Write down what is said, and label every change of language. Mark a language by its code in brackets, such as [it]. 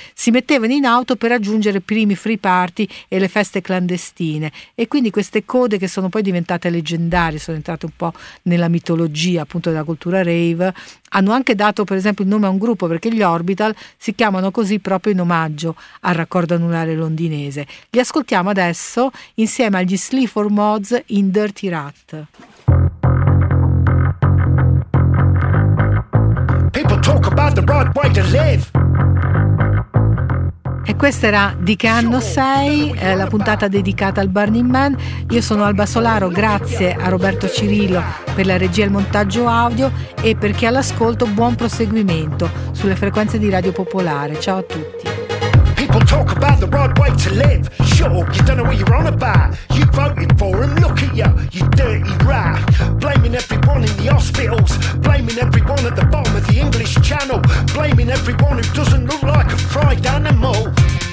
[it] Si mettevano in auto per raggiungere primi free party e le feste clandestine, e quindi queste code, che sono poi diventate leggendarie, sono entrate un po' nella mitologia appunto della cultura rave, hanno anche dato per esempio il nome a un gruppo, perché gli Orbital si chiamano così proprio in omaggio al raccordo anulare londinese. Li ascoltiamo adesso insieme agli Sleaford Mods in Dirty Rat. [en] People talk about the right way to live. [it] E questa era Di che anno sei, la puntata dedicata al Burning Man. Io sono Alba Solaro, grazie a Roberto Cirillo per la regia e il montaggio audio, e per chi ha l'ascolto, buon proseguimento sulle frequenze di Radio Popolare. Ciao a tutti. [en] People talk about the right way to live. Sure, you don't know what you're on about. You voted for him, look at you, you dirty rat. Blaming everyone in the hospitals, blaming everyone at the bottom of the English Channel, blaming everyone who doesn't look like a fried animal.